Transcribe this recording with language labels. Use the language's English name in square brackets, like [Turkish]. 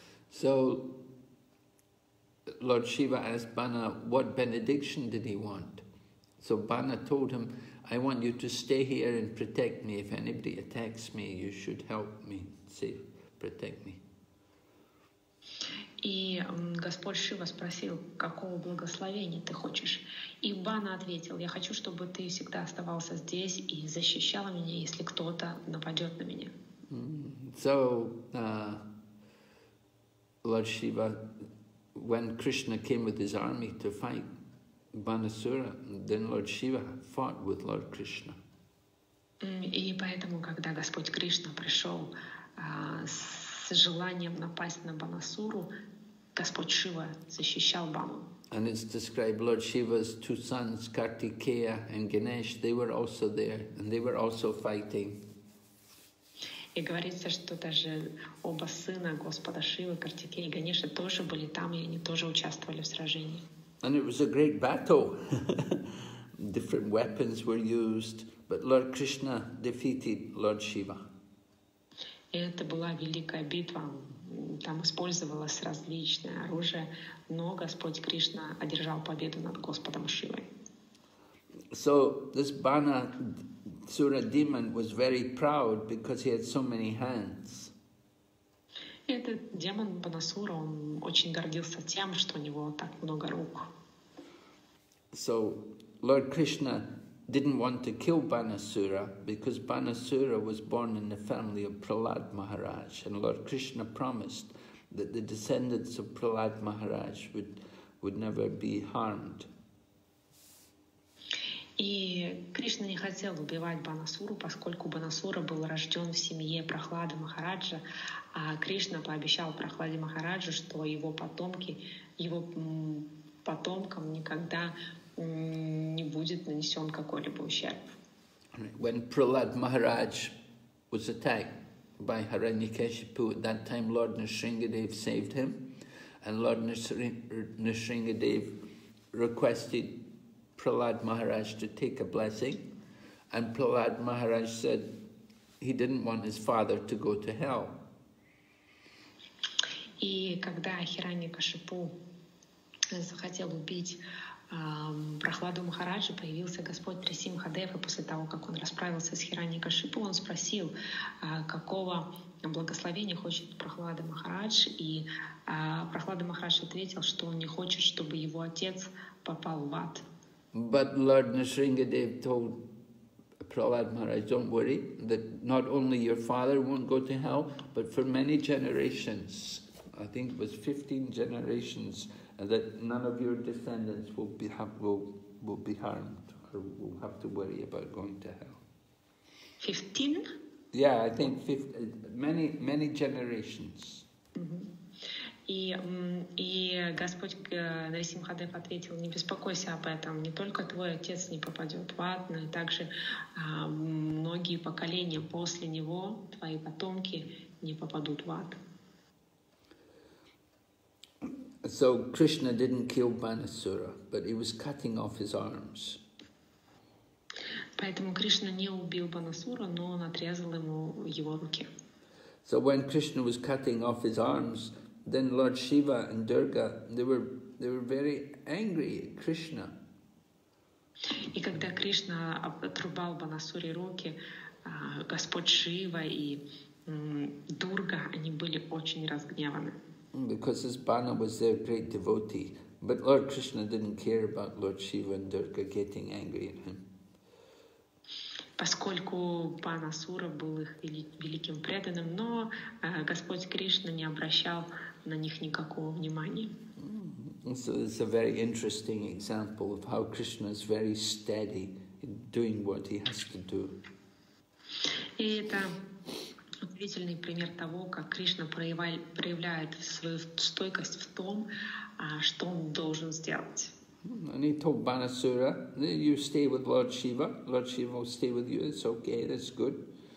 [English] So, Lord Shiva asked Bana, what benediction did he want? So Bana told him, I want you to stay here and protect me. If anybody attacks me, you should help me, say, protect me. [Russian] И Господь Шива спросил, какого благословения ты хочешь? И Бана ответил, я хочу, чтобы ты всегда оставался здесь и защищал меня, если кто-то нападет на меня. [English] So, Lord Shiva, when Krishna came with his army to fight Banasura, then Lord Shiva fought with Lord Krishna. [Russian] И поэтому, когда Господь Кришна пришел с желанием напасть на Банасуру, Господь Шива защищал Бану. [English] And it's described Lord Shiva's two sons, Kartikeya and Ganesh, they were also there, and they were also fighting. [Russian] И говорится, что даже оба сына Господа Шивы, Картикея и Ганеша, тоже были там, и они тоже участвовали в сражении. [English] And it was a great battle. Different weapons were used, but Lord Krishna defeated Lord Shiva. [Russian] Это была великая битва. Там использовалось различное оружие, но Господь Кришна одержал победу над Господом Шивой. [English] So this Banasura demon was very proud because he had so many hands. [Russian] Этот демон Банасура, он очень гордился тем, что у него так много рук. [English] So Lord Krishna didn't want to kill Banasura because Banasura was born in the family of Prahlad Maharaj, and Lord Krishna promised that the descendants of Prahlad Maharaj would never be harmed. [Russian] И Кришна не хотел убивать Банасуру, поскольку Банасура был рожден в семье Прохлады Махараджа, а Кришна пообещал Прохладе Махараджу, что его потомки, его потомкам никогда не будет нанесен какой-либо ущерб. [English] When Prahlad Maharaj was attacked by Hiranyakashipu, at that time Lord Nrisingadev saved him, and Lord Nrisingadev requested Prahlad Maharaj to take a blessing, and Prahlad Maharaj said he didn't want his father to go to hell. [Russian] И когда Хираньякашипу захотел убить Прохладу Махараджа, появился Господь Нрисимхадев, и после того, как он расправился с Хираньякашипу, он спросил, какого благословения хочет Прохлада Махарадж, и Прохлада Махарадж ответил, что он не хочет, чтобы его отец попал в ад. [English] But Lord Nrisingadev told Prahlad Maharaj, don't worry, that not only your father won't go to hell, but for many generations, I think it was 15 generations, that none of your descendants will be harmed or will have to worry about going to hell. 15? Yeah, I think many generations. [Russian] И Господь Нарисимхадев ответил, не беспокойся об этом, не только твой отец не попадет в ад, но и также многие поколения после него, твои потомки, не попадут в ад. [English] So Krishna didn't kill Banasura, but he was cutting off his arms. [Russian] Поэтому Кришна не убил Банасуру, но он отрезал ему его руки. [English] So when Krishna was cutting off his arms, then Lord Shiva and Durga, they were very angry at Krishna. [Russian] И когда Кришна отрубал Банасуре руки, Господь Шива и Дурга, они были очень разгневаны. [English] Because his Bana was their great devotee, but Lord Krishna didn't care about Lord Shiva and Durga getting angry at him. [Russian] Поскольку Банасура был их великим преданным, но Господь Кришна не обращал на них никакого внимания. [English] So it's a very interesting example of how Krishna is very steady in doing what he has to do. [Russian] И это удивительный пример того, как Кришна проявляет свою стойкость в том, что он должен сделать. [English] And he told Banasura, you stay with Lord Shiva, Lord Shiva will stay with you, it's okay, that's good.